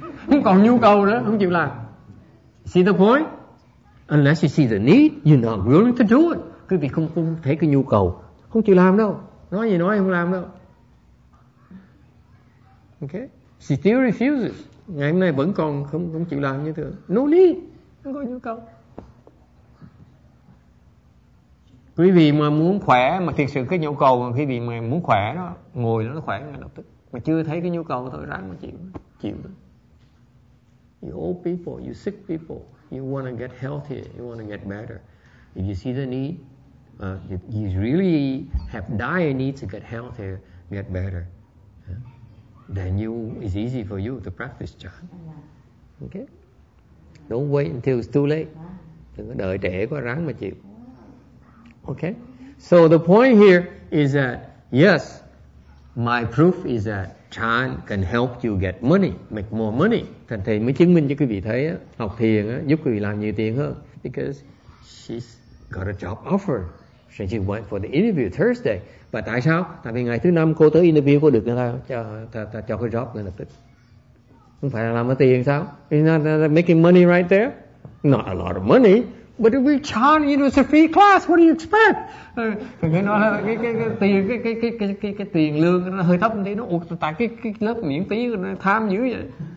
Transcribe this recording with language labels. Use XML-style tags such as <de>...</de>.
<vi>Không còn nhu cầu nữa, không chịu làm.</vi> <en>See the point? Unless you see the need, you're not willing to do it.</en> <vi>Quý vị không thấy cái nhu cầu, không chịu làm đâu. Nói gì nói không làm đâu.</vi> <en>Okay. She still refuses.</en> <vi>Ngày hôm nay vẫn còn không chịu làm như thường.</vi> <en>No need.</en> <vi>Không có nhu cầu. Quý vị mà muốn khỏe, mà thực sự cái nhu cầu mà quý vị mà muốn khỏe đó, ngồi nó khỏe ngay lập tức. Mà chưa thấy cái nhu cầu thôi, ráng mà chịu.</vi> <en>You old people, you sick people, you want to get healthier, you want to get better. If you see the need, if you really have dire need to get healthier, get better, then you, it's easy for you to practice chan. Okay? Don't wait until it's too late.</en> <vi>Đừng có đợi trễ quá, ráng mà chịu.</vi> <en>Okay? So the point here is that, yes, my proof is that chan can help you get money, make more money.</en> <vi>Thành thầy mới chứng minh cho quý vị thấy, học thiền giúp quý vị làm nhiều tiền hơn.</vi> <en>Because she's got a job offer. So she went for the interview Thursday.</en> <vi>Và tại sao? Tại vì ngày thứ năm cô tới interview cô được người ta cho cái job ngay lập tức. Không phải là làm cái tiền sao?</vi> <en>It's not making money right there. Not a lot of money. But if we chant, you know, it's a free class. What do you expect?</en> <vi>Cái tiền lương nó hơi thấp thì nó ụt tại cái lớp miễn phí nó tham dữ vậy.</vi>